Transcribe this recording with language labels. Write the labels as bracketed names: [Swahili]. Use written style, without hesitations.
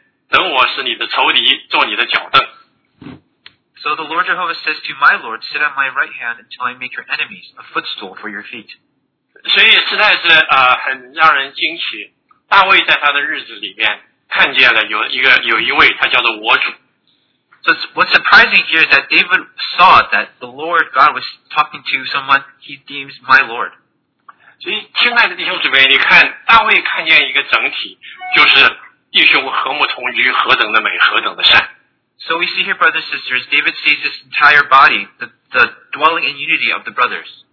[Chinese] 那耶和华对我主说，你坐在我的右边，等我使你的仇敌做你的脚凳。 [English] So the Lord Jehovah says to my Lord, sit at my right hand until I make your enemies a footstool for your feet. [Chinese] 所以实在是很让人惊奇，大卫在他的日子里面看见了有一位他叫做我主。 [English] So what's surprising here is that David saw that the Lord God was talking to someone he deems my Lord. [Chinese] 所以亲爱的弟兄姊妹，你看大卫看见一个整体，就是弟兄和睦同居，何等的美，何等的善。 [English] So we see here, brothers and sisters, David sees this entire body, the dwelling in unity of the brothers.